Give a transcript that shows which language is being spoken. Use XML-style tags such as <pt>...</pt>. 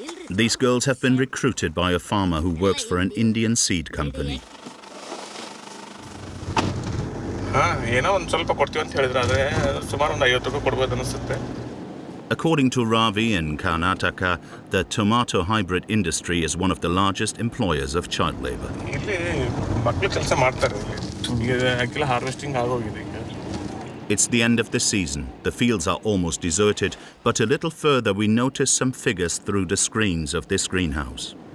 <en>These girls have been recruited by a farmer who works for an Indian seed company.</en> <kn>ಹಾ ಏನೋ ಒಂದು ಸ್ವಲ್ಪ ಕೊಡ್ತೀವಿ ಅಂತ ಹೇಳಿದ್ರೆ ಅದೇ ಸುಮಾರು ಒಂದು 50 ರೂಪಾಯಿ ಕೊಡ್ಬೋದು ಅನಿಸುತ್ತೆ</kn> <en>According to Ravi in Karnataka, the tomato hybrid industry is one of the largest employers of child labor. It's the end of the season. The fields are almost deserted, but a little further we notice some figures through the screens of this greenhouse.</en>